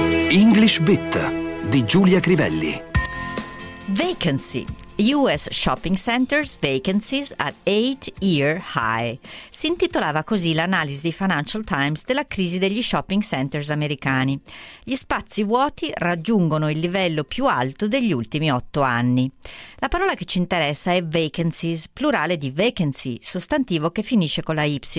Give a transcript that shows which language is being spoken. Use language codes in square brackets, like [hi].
[it] English Bit di Giulia Crivelli. [en] Vacancy. US shopping centers vacancies at 8-year high. [it] Si intitolava così l'analisi di Financial Times della crisi degli shopping centers americani. Gli spazi vuoti raggiungono il livello più alto degli ultimi 8 anni. La parola che ci interessa è vacancies, plurale di vacancy, sostantivo che finisce con la Y.